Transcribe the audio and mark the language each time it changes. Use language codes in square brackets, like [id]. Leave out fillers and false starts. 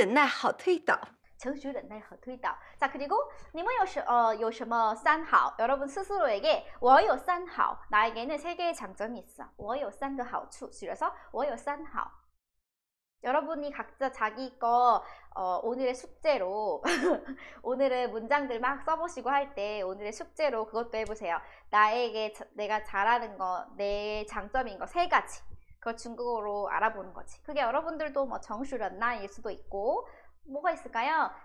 [zh] 简直就是大叔啊你！大叔多好呀！大叔有三好，成熟忍耐好推倒。成熟忍耐好推倒。 [ko] 자, 그리고 님은 有什么三好? 여러분 스스로에게 我有三好, 나에게는 세 개의 장점이 있어. [zh] 我有三个好处, 그래서 我有三好. [ko] 여러분이 각자 자기 거 오늘의 숙제로 오늘의 문장들 막 써보시고 할 때 오늘의 숙제로 그것도 해보세요. 나에게 내가 잘하는 거, 내 장점인 거 세 가지 그걸 중국어로 알아보는 거지. 그게 여러분들도 뭐 정수련나일 수도 있고 뭐가 있을까요?